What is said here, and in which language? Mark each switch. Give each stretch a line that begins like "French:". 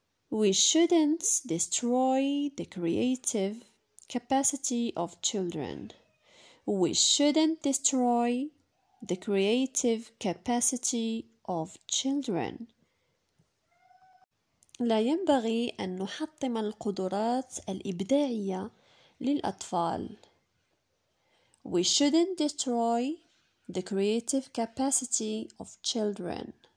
English: We shouldn't destroy the creative capacity of children. We shouldn't destroy the creative capacity of children.
Arabic: لا ينبغي أن نحطم القدرات الإبداعية للأطفال.
English: We shouldn't destroy the creative capacity of children.